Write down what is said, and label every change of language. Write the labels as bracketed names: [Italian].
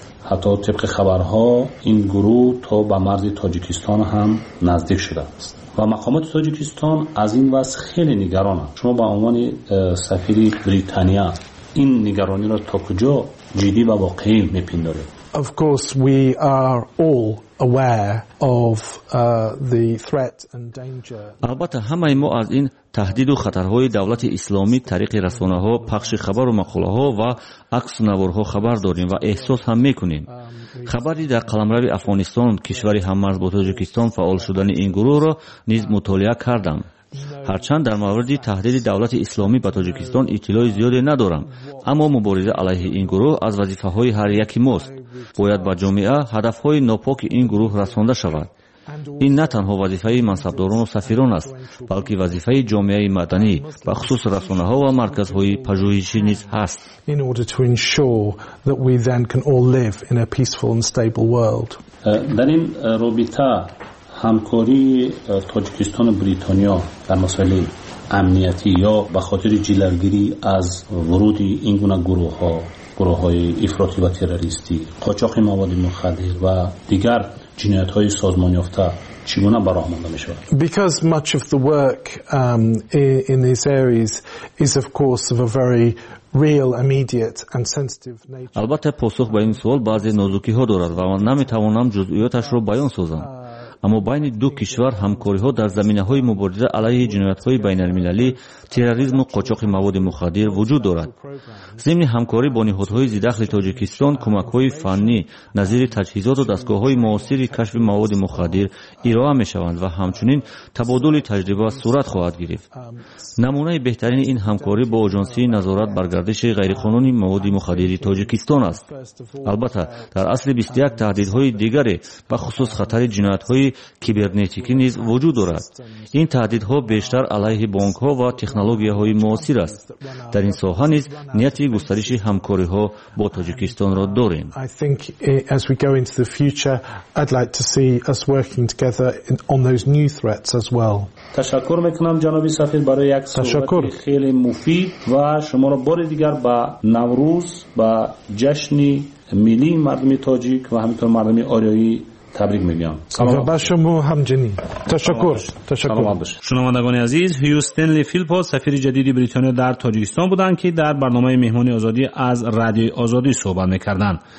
[Persian] حتی طبق خبرها این گروه تا به مرز تاجیکستان هم نزدیک شده است و مقامات تاجیکستان از این وضع خیلی نگران هست. شما به عنوان سفیر بریتانیا این نگرانی را تا کجا جدی و واقعی می پندارید؟ [English] Of course we are all aware of the threat and danger. [Persian] البته همه ما از این تهدید و خطرهای دولت اسلامی طریق رسانه‌ها، پخش خبر و مقاله‌ها و عکس نوارها خبر داریم و احساس هم می‌کنیم. خبری در قلمرو افغانستان، کشوری هممرز با تاجیکستان فعال شدن این گروه را نیز مطالعه کردم. هرچند در مورد تهدید دولت اسلامی به تاجیکستان اطلاع زیاده ندارم، اما مبارزه علیه این گروه از وظیفه های هر یکی ماست. باید به جامعه هدف های ناپاک این گروه رسانده شود. این نه تنها وظیفه منصبداران و سفیران است، بلکه وظیفه جامعه مدنی و خصوص رسانه ها و مرکز های پژوهشی نیز هست. [English] In order to ensure that we then can all live in a peaceful and stable world. [Persian] در این رابطه همکاری تاجیکستان و بریتانیا در مسائل امنیتی یا به خاطر جلوگیری از ورود این گونه گروه ها، گروه های افراطی و تروریستی، قاچاق مواد مخدر و دیگر جنایت های سازمان یافته چگونه براه مانده می شود؟ [English] Because much of the work in these areas is of course of a very real immediate and sensitive nature. [Persian] البته پاسخ به این سوال بعضی نازکی ها دارد و من نمی توانم جزئیاتش را بیان سازم، اما بین دو کشور همکاری‌ها در زمینه‌های مبارزه علیه جنایت‌های بین‌المللی، تروریسم و قاچاق مواد مخدر وجود دارد. ضمن همکاری با نهادهای ضدخل تاجیکستان، کمک‌های فنی نظیر تجهیزات و دستگاه‌های معاصر کشف مواد مخدر ارائه می‌شوند و همچنین تبادل تجربه صورت خواهد گرفت. نمونه بهترین این همکاری با آژانسی نظارت بر گردش غیرقانونی مواد مخدر تاجیکستان است. البته در اصل 21 تهدیدهای دیگری به خصوص خطر جنایت های کیبرنتیکی نیز وجود دارد. این تهدیدها بیشتر علیه بانک ها و تکنولوژی های معاصر است. در این ساحه نیز نیت گسترش همکاری ها با تاجیکستان را داریم. [English] I think as we go into the future I'd like to see us working together on those new threats as well. [Persian] تشکر میکنم جناب سفیر برای یک صحبت خیلی مفید و شما را بار دیگر با نوروز با جشن ملی مردم تاجیک و همینطور مردم آریایی تبریک میگم. سلام به شما همچنین. تشکر. شنوندگان عزیز، هیو استنلی فیلپو سفیر جدید بریتانیا در تاجیکستان بودند که در برنامه مهمان آزادی از رادیو آزادی صحبت میکردند.